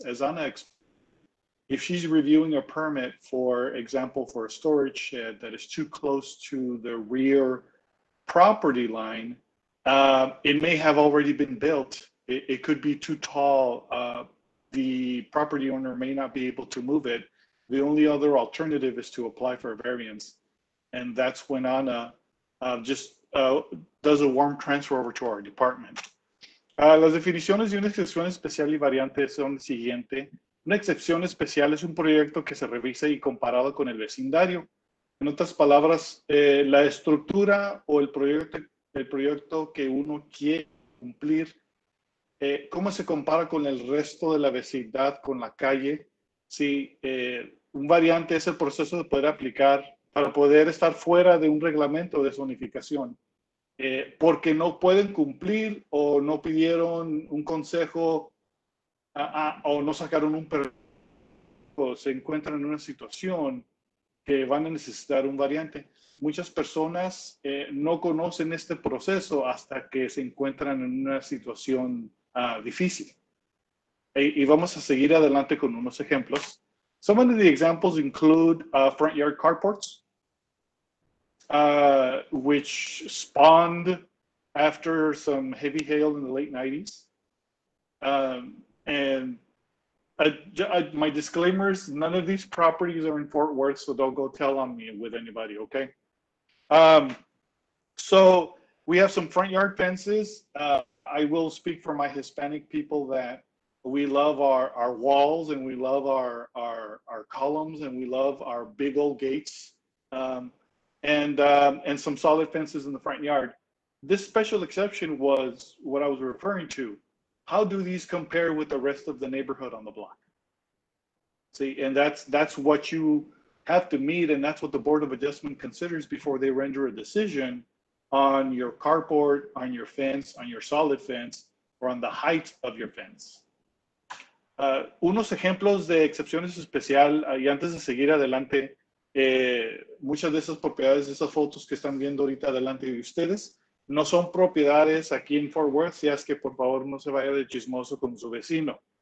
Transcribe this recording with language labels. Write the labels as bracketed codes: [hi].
[en] As Anna explained, if she's reviewing a permit, for example, for a storage shed that is too close to the rear property line, it may have already been built. It could be too tall. The property owner may not be able to move it. The only other alternative is to apply for a variance. And that's when Anna does a warm transfer over to our department. [es] Las definiciones de una excepción especial y variante son las siguientes. Una excepción especial es un proyecto que se revisa y comparado con el vecindario. En otras palabras, la estructura o el proyecto que uno quiere cumplir, ¿cómo se compara con el resto de la vecindad, con la calle? Sí, un variante es el proceso de poder aplicar para poder estar fuera de un reglamento de zonificación. Porque no pueden cumplir o no pidieron un consejo o no sacaron un permiso, se encuentran en una situación que van a necesitar un variante. Muchas personas no conocen este proceso hasta que se encuentran en una situación difícil. Y vamos a seguir adelante con unos ejemplos. [en] Some of the examples include front yard carports, which spawned after some heavy hail in the late 90s. My disclaimers, none of these properties are in Fort Worth, so don't go tell on me with anybody, okay? So we have some front yard fences. I will speak for my Hispanic people that we love our walls and we love our columns and we love our big old gates. And some solid fences in the front yard. This special exception was what I was referring to. How do these compare with the rest of the neighborhood on the block? See, and that's what you have to meet, and that's what the Board of Adjustment considers before they render a decision on your carport, on your fence, on your solid fence, or on the height of your fence. [es] Unos ejemplos de excepciones especial, y antes de seguir adelante, muchas de esas propiedades, esas fotos que están viendo ahorita delante de ustedes, no son propiedades aquí en Fort Worth, si es que por favor no se vaya de chismoso con su vecino.